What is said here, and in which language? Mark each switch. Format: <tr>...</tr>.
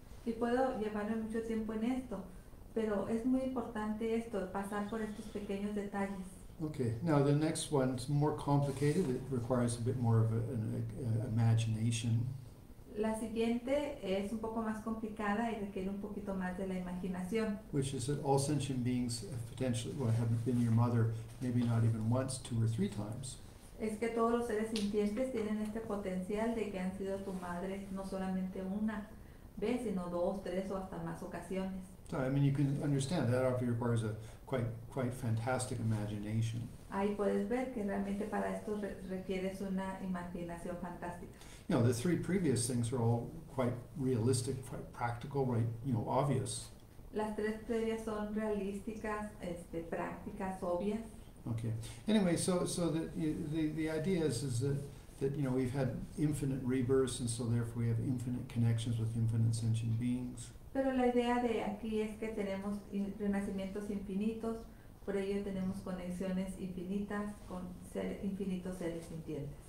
<es>Y puedo llevarme mucho tiempo en esto, pero es muy importante esto, pasar por estos pequeños detalles.</es> <en>Okay, now the next one is more complicated. It requires a bit more of an imagination.</en> <es>La siguiente es un poco más complicada y requiere un poquito más de la imaginación.</es> <en>Which is that all sentient beings have been your mother maybe not even once, 2 or 3 times.</en> <es>Es que todos los seres sintientes tienen este potencial de que han sido tu madre no solamente una vez, sino 2, 3 o hasta más ocasiones.</es> <en>So, I mean, you can understand that obviously requires a quite fantastic imagination.</en> <es>Ahí puedes ver que realmente para esto requieres una imaginación fantástica.</es> <en>You know, the 3 previous things are all quite realistic, quite practical, right? You know, obvious.</en> <es>Las 3 previas son realísticas, prácticas, obvias.</es> <en>Okay. Anyway, so the idea is that you know we've had infinite rebirths, and so therefore we have infinite connections with infinite sentient beings.</en> <es>Pero la idea de aquí es que tenemos renacimientos infinitos, por ello tenemos conexiones infinitas con infinitos seres sintientes.</es>